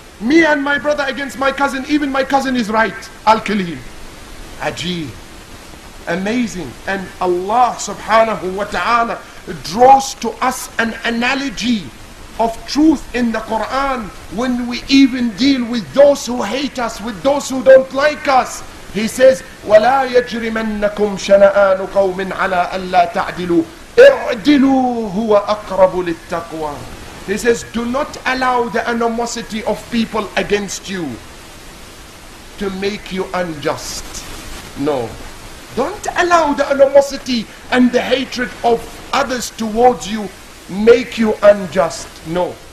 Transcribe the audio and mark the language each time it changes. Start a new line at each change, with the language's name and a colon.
English: Me and my brother against my cousin, even my cousin is right. I'll kill him. Ajeeb. Amazing. And Allah subhanahu wa ta'ala draws to us an analogy of truth in the Quran when we even deal with those who hate us, with those who don't like us. He says,
Arabic: وَلَا يَجْرِمَنَّكُمْ شَنَآنُ قَوْمٍ عَلَىٰ أَلَّا تَعْدِلُوا اِعْدِلُوا هُوَ أَقْرَبُ لِلتَّقْوَىٰ.
English: He says, do not allow the animosity of people against you to make you unjust. No. Don't allow the animosity and the hatred of others towards you make you unjust. No.